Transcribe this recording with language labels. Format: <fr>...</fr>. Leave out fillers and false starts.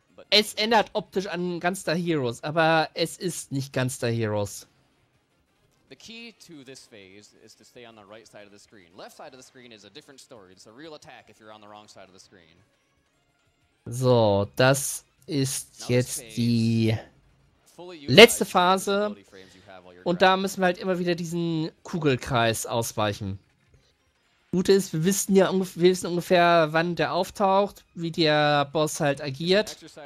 <de>Es ändert optisch an Gunstar Heroes, aber es ist nicht Gunstar Heroes.</de> <en>The key to this phase is to stay on the right side of the screen. Left side of the screen is a different story. It's a real attack if you're on the wrong side of the screen.</en> <de>So, das ist jetzt die letzte Phase. Und da müssen wir halt immer wieder diesen Kugelkreis ausweichen. Gute ist, wir wissen ja ungefähr, wann der auftaucht, wie der Boss halt agiert.</de>